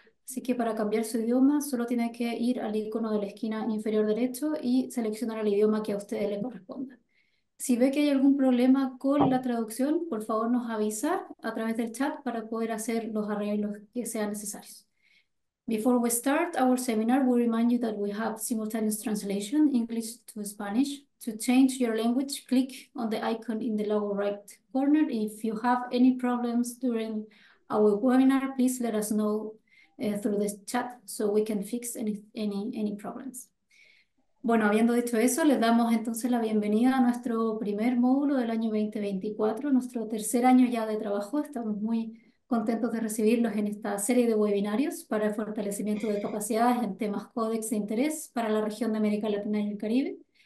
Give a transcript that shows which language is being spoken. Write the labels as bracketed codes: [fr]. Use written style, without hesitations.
[es] Así que para cambiar su idioma, solo tiene que ir al icono de la esquina inferior derecho y seleccionar el idioma que a ustedes les corresponda. Si ve que hay algún problema con la traducción, por favor nos avisar a través del chat para poder hacer los arreglos que sean necesarios. [en] Before we start our seminar, we remind you that we have simultaneous translation, English to Spanish. To change your language, click on the icon in the lower right corner. If you have any problems during our webinar, please let us know through the chat so we can fix any problems. [es] Bueno, habiendo dicho eso, les damos entonces la bienvenida a nuestro primer módulo del año 2024, nuestro tercer año ya de trabajo. Estamos muy contentos de recibirlos en esta serie de webinarios para el fortalecimiento de capacidades en temas códex de interés para la región de América Latina y el Caribe.